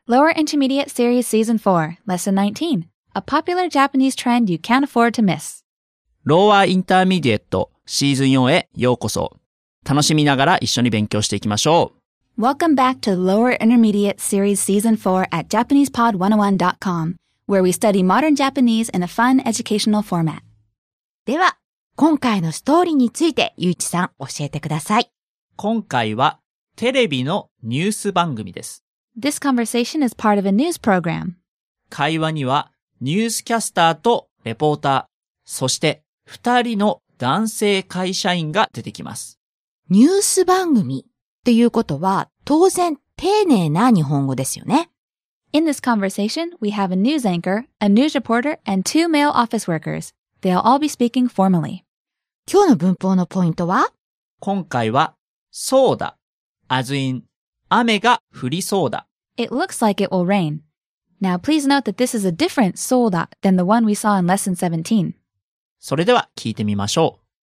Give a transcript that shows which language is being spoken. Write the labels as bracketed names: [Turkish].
[English] Lower Intermediate Series Season 4 Lesson 19. A popular Japanese trend you can't afford to miss. [Japanese] Lower Intermediate Season 4へようこそ。楽しみながら一緒に勉強していきましょう。 [English] Welcome back to Lower Intermediate Series Season 4 at JapanesePod101.com, where we study modern Japanese in a fun educational format. [Japanese] では今回のストーリーについてゆういちさん教えてください。今回はテレビのニュース番組です。 [English] This conversation is part of a news program. [Japanese] 会話にはニュースキャスターとレポーター、そして2人の男性会社員が出てきます。ニュース番組っていうことは当然丁寧な日本語ですよね。 [English] In this conversation, we have a news anchor, a news reporter, and two male office workers. They'll all be speaking formally. [Japanese] 今日の文法のポイントは、今回はそうだ、 [English] As in, [Japanese] 雨が降りそうだ。 [English] It looks like it will rain. Now please note that this is a different そうだ than the one we saw in lesson 17. [Japanese] それでは聞いてみましょう。